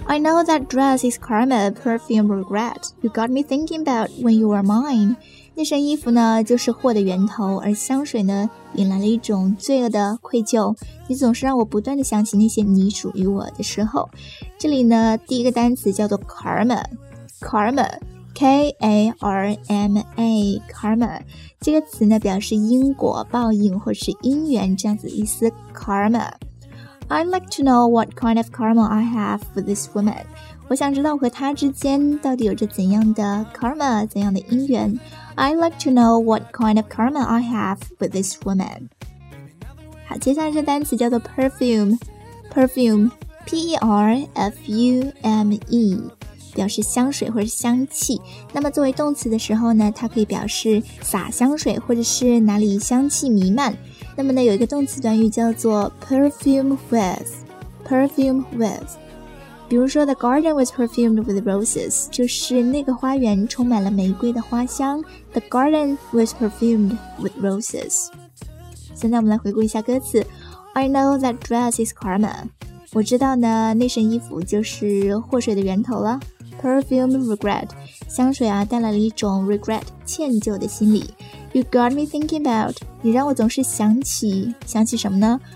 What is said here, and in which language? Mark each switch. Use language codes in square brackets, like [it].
[en] I know that dress is karma, perfume regret. You got me thinking about when you were mine. [zh] 那身衣服呢就是祸的源头，而香水呢引来了一种罪恶的愧疚。你总是让我不断地想起那些你属于我的时候。这里呢第一个单词叫做 karmaKarma, K-A-R-M-A, Karma, 这个词呢表示因果报应或是因缘这样子意思。 [en] Karma, I'd like to know what kind of karma I have for this woman. [zh] 我想知道和她之间到底有着怎样的 karma, 怎样的因缘。 [en] I'd like to know what kind of karma I have for this woman. [zh] 好，接下来这单词叫做 perfume, perfume, P-E-R-F-U-M-E. 表示香水或者香气。那么作为动词的时候呢，它可以表示洒香水或者是哪里香气弥漫。那么呢有一个动词短语叫做 perfume with， perfume with，比如说 the garden was perfumed with roses，就是那个花园充满了玫瑰的花香。 [en] the garden was perfumed with roses。 [zh] 现在我们来回顾一下歌词。 I know that dress is karma，我知道呢那身衣服就是祸水的源头了。 Perfume regret，香水啊带来了一种 regret 歉疚的心理。 You got me thinking about，你让我总是想起，想起什么呢？